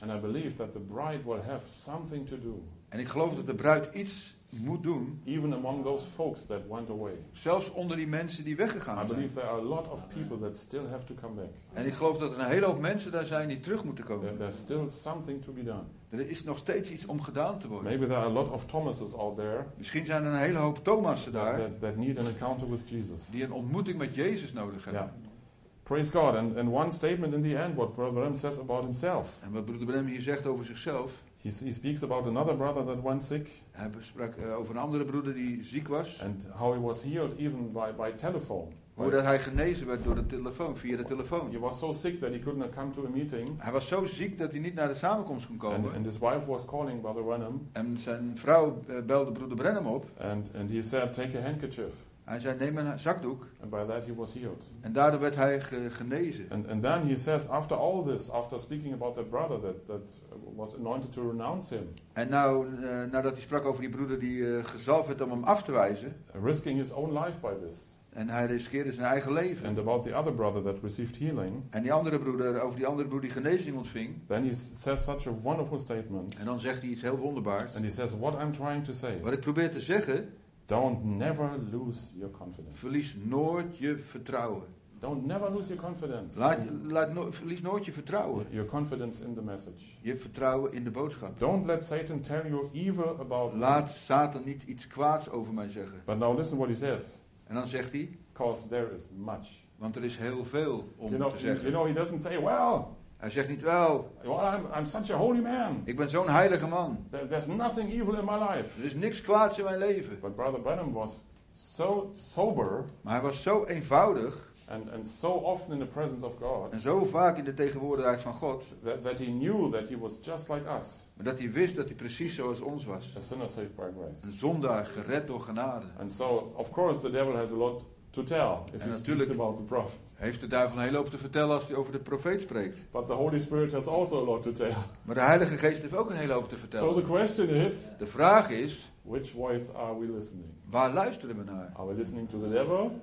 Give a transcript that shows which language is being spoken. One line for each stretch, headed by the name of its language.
English: And I believe that the bride will have something to do.
Dutch: En ik geloof dat de bruid iets moet doen.
English: Even among those folks that went away.
Dutch: Zelfs onder die mensen die weggegaan zijn.
English: I believe there are a lot of people that still have to come back.
Dutch: En ik geloof dat er een hele hoop mensen daar zijn die terug moeten komen.
English: There's still something to be done.
Dutch: Er is nog steeds iets om gedaan te worden.
English: Maybe there are a lot of Thomases out there.
Dutch: Misschien zijn er een hele hoop Thomassen daar.
English: That need an encounter with Jesus.
Dutch: Die een ontmoeting met Jezus nodig hebben.
English: Yeah. Praise God. And one statement in the end, what Brother Bram says about himself.
Dutch: En wat Broeder Bram hier zegt over zichzelf.
English: He speaks about another brother that went sick.
Dutch: Hij sprak over een andere broeder die ziek was.
English: And how he was healed even by telephone.
Dutch: Hoe dat hij genezen werd door de telefoon, via de telefoon.
English: He was so sick that he could not come to a meeting.
Dutch: Hij was zo ziek dat hij niet naar de samenkomst kon komen.
English: And his wife was calling Brother Branham.
Dutch: En zijn vrouw belde Broeder Branham op.
English: And he said, take a handkerchief.
Dutch: Hij zei, neem een zakdoek.
English: And by that he was healed.
Dutch: En daardoor werd hij genezen.
English: And then he says, after all this, after speaking about that brother that was anointed to renounce him.
Dutch: En nou, nadat hij sprak over die broeder die gezalfd werd om hem af te wijzen.
English: Risking his own life by this.
Dutch: En hij riskeerde zijn eigen leven.
English: And about the other brother that received healing.
Dutch: En die andere broeder, over die andere broeder die genezing ontving.
English: Then he says such a wonderful statement.
Dutch: En dan zegt hij iets heel wonderbaars.
English: And he says, what I'm trying to say.
Dutch: Wat ik probeer te zeggen.
English: Don't never lose your confidence.
Dutch: Verlies nooit je vertrouwen.
English: Don't never lose your confidence.
Dutch: Verlies nooit je vertrouwen.
English: Your confidence in the message.
Dutch: Je vertrouwen in de boodschap.
English: Don't let Satan tell you evil about me.
Dutch: Laat Satan niet iets kwaads over mij zeggen.
English: But now listen what he says.
Dutch: En dan zegt hij.
English: Because there is much.
Dutch: Want er is heel veel om te zeggen.
English: You know, he doesn't say, well.
Dutch: Hij zegt niet wel.
English: Well, I'm such a holy man.
Dutch: Ik ben zo'n heilige man.
English: There's nothing evil in my life.
Dutch: Er is niks kwaads in mijn leven.
English: But Brother Branham was so sober.
Dutch: Maar hij was zo eenvoudig.
English: And so often in the presence of God.
Dutch: En zo vaak in de tegenwoordigheid van God.
English: That he knew that he was just like us.
Dutch: Maar dat hij wist dat hij precies zoals ons was.
English: A sinner saved by grace.
Dutch: Een zondaar gered door genade.
English: And so of course the devil has a lot. To tell if he speaks about the prophet.
Dutch: Heeft de duivel een hele hoop te vertellen als hij over de profeet spreekt.
English: But the Holy Spirit has also a lot to tell.
Dutch: Maar de Heilige Geest heeft ook een hele hoop te vertellen.
English: So the question is.
Dutch: De vraag is.
English: Which voice are we listening?
Dutch: Waar luisteren we naar?
English: Are we listening to the devil?